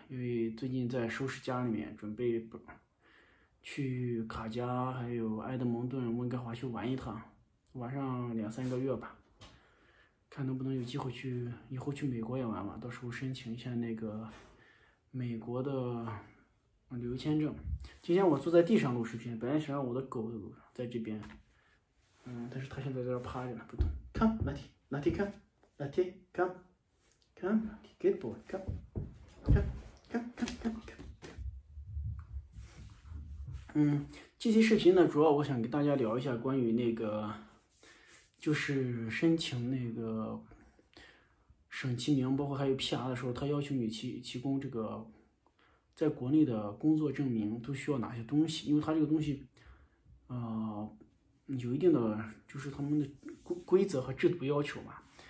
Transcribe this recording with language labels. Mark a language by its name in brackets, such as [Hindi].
[Chinese] 因为最近在收拾家里面，准备去卡加、还有埃德蒙顿、温哥华去玩一趟，玩上两三个月吧，看能不能有机会去，以后去美国也玩玩，到时候申请一下那个美国的旅游签证。今天我坐在地上录视频，本来想让我的狗在这边，但是它现在在这趴着呢，不动。 [English] Come, Matty, Matty, come, Matty, come, come, Matty, good boy, come, come, come, come, come, come. [Chinese] 这期视频呢，主要我想跟大家聊一下关于那个，就是申请那个省提名，包括还有 PR 的时候，他要求你提供这个。在国内的工作证明都需要哪些东西？因为它这个东西，有一定的就是他们的规则和制度要求吧。